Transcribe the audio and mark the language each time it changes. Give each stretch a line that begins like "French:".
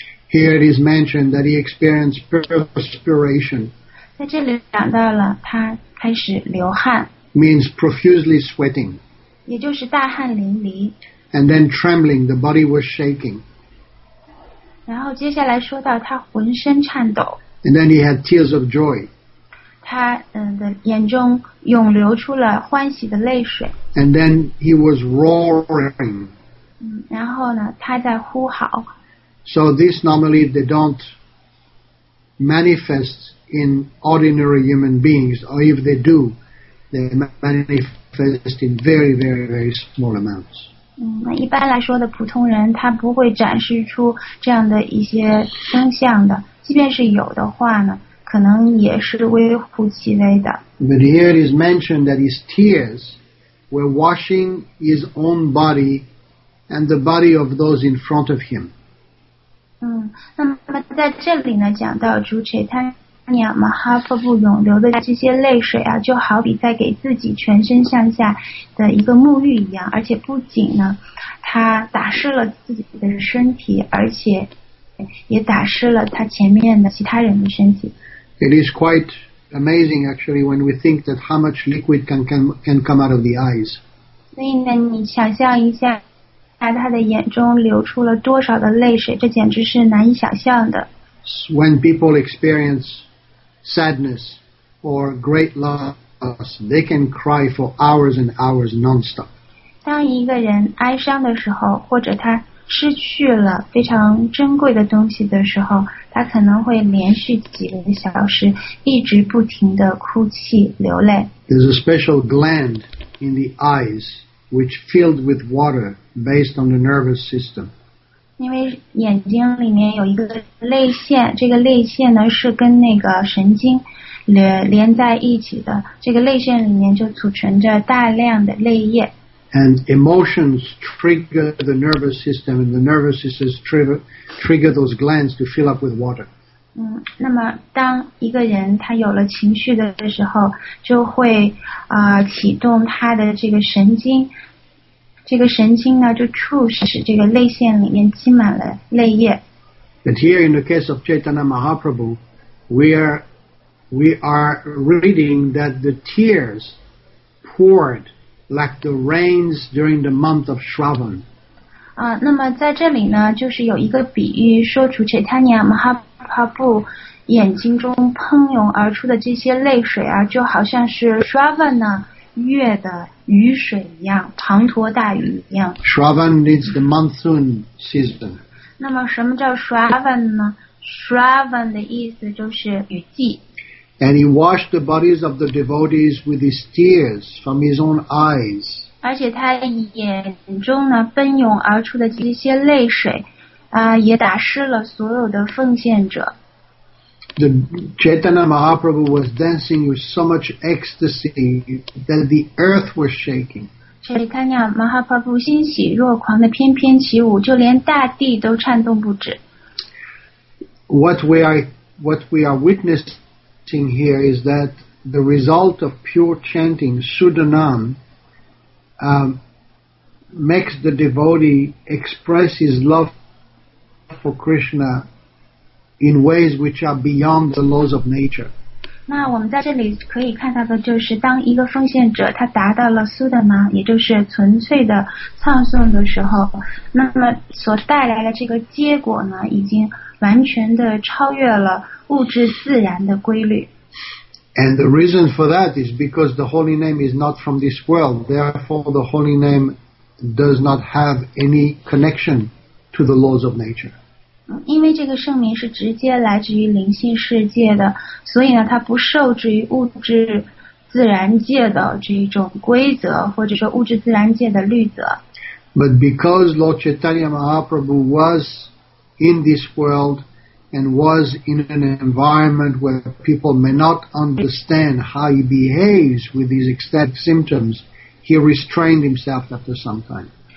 English: Here it is mentioned that he experienced perspiration.
Chinese: 在这里讲到了他开始流汗。
English: Means profusely sweating.
Chinese: 也就是大汗淋漓。
English: And then trembling, the body was shaking.
Chinese: 然后接下来说到他浑身颤抖。
English: And then he had tears of joy.
Chinese: 他的眼中涌流出了欢喜的泪水。
English: And then he was roaring.
Chinese: 然后呢，他在呼嚎。
English: So this normally they don't manifest in ordinary human beings, or if they do, they manifest in very, very, very small amounts.
Chinese: 那一般来说的普通人他不会展示出这样的一些征象的即便是有的话呢可能也是微乎其微的
English: But here it is mentioned that his tears were washing his own body and the body of those in front of him
Chinese: 那么在这里呢讲到主 Chaitanya Mahaprabhu 涌流的这些泪水啊就好比在给自己全身向下的一个沐浴一样而且不仅呢他打湿了自己的身体而且也打湿了他前面的其他人的身体
English: It is quite amazing actually when we think that how much liquid can come out of the eyes.
Chinese: 所以呢，你想象一下，在他的眼中流出了多少的泪水，这简直是难以想象的。
English: When people experience sadness or great loss, they can cry for hours and hours nonstop.
Chinese: 当一个人哀伤的时候，或者他失去了非常珍贵的东西的时候，他可能会连续几个小时一直不停地哭泣流泪。
English: There's a special gland in the eyes which filled with water based on the nervous system.
Chinese: 因为眼睛里面有一个泪腺，这个泪腺呢是跟那个神经连在一起的。这个泪腺里面就储存着大量的泪液。
English: And emotions trigger the nervous system, and the nervous system trigger those glands to fill up with water.
Chinese: 那么当一个人他有了情绪的时候，就会启动他的这个神经，这个神经呢就促使这个泪腺里面积满了泪液。
English: But here in the case of Chaitanya Mahaprabhu, we are reading that the tears poured. Like the rains during the month of Shravan.
Chinese: 那么在这里呢，就是有一个比喻，说出 Chaitanya Mahaprabhu 眼睛中喷涌而出的这些泪水啊，就好像是 Shravan 呢月的雨水一样，滂沱大雨一样。
English: Shravan is the monsoon season.
Chinese: 那么什么叫 Shravan 呢 ？Shravan 的意思就是雨季。
English: And he washed the bodies of the devotees with his tears from his own eyes.
Chinese: 而且他眼中呢奔涌而出的这些泪水，也打湿了所有的奉献者。
English: The Chaitanya Mahaprabhu was dancing with so much ecstasy that the earth was shaking.
Chinese: Chaitanya Mahaprabhu 欣喜若狂的翩翩起舞，就连大地都颤动不止。
English: What we are witnessing. Here is that the result of pure chanting Sudanam makes the devotee express his love for Krishna in ways which are beyond the laws of nature.
Chinese: 那我们在这里可以看到的就是，当一个奉献者他达到了 Sudanam， 也就是纯粹的唱诵的时候，那么所带来的这个结果呢，已经完全的超越了物质自然的规律。
English: And the reason for that is because the holy name is not from this world. Therefore, the holy name does not have any connection to the laws of nature.
Chinese: 因为这个圣名是直接来自于灵性世界的，所以呢，它不受制于物质自然界的这种规则，或者说物质自然界的律则。
English: But because Lord Chaitanya Mahaprabhu was in this world. And was in an environment where people may not understand how he behaves with these ecstatic symptoms, he restrained himself after some time.